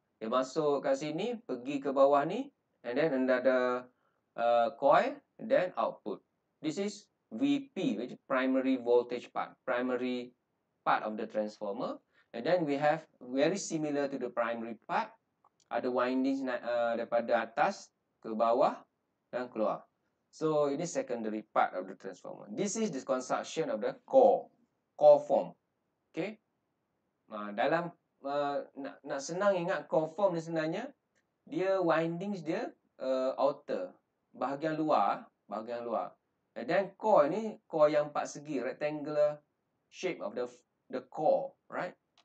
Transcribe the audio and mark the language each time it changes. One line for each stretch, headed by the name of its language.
Malay: Dia masuk kat sini, pergi ke bawah ni,
English: and then another coil, then output. This is VP, which is primary voltage part. Primary part of the transformer. And then we have very similar to the primary part.
Malay: Ada windings daripada atas ke bawah dan keluar.
English: So, ini secondary part of the transformer. This is the construction of the core form.
Malay: Okay. Dalam, nak senang ingat core form ni sebenarnya, dia windings dia outer. Bahagian luar.
English: And then core ni, core
Malay: yang empat segi,
English: rectangular shape of the core, right?